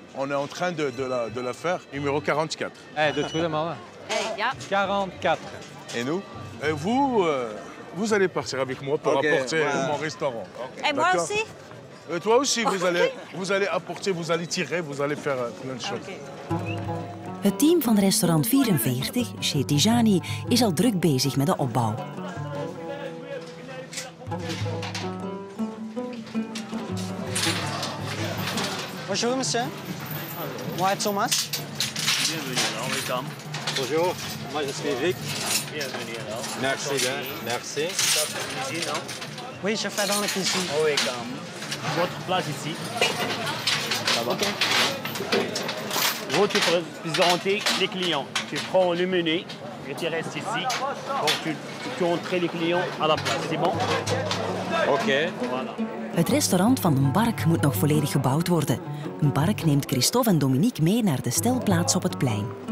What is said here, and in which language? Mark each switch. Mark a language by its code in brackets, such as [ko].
[fr] On est en train de la faire, numéro 44. De tout le monde. 44. Et nous? Et vous, vous allez partir avec moi pour apporter mon restaurant. Okay. Et moi aussi? Et toi aussi, vous allez apporter, vous allez tirer, vous allez faire plein de choses. [nl] Het team van restaurant 44, chez Tijani, is al druk bezig met de opbouw. [fr] Bonjour, monsieur. [nl] Hallo. [fr] Moi, Thomas. Bienvenue, dan. Bonjour, moi, je suis Vic. Bienvenue, dan. Merci, bien. Merci. Oui, je fais dans la cuisine. Oh, oui, dan. Votre place ici. Là-bas. Okay. Vous, tu présentes les clients. Tu prends le menu et tu restes ici pour tu entrer les clients à la place. C'est bon? Ok. Voilà. [nl] Het restaurant van Mbark moet nog volledig gebouwd worden. Mbark neemt Christophe en Dominique mee naar de stelplaats op het plein.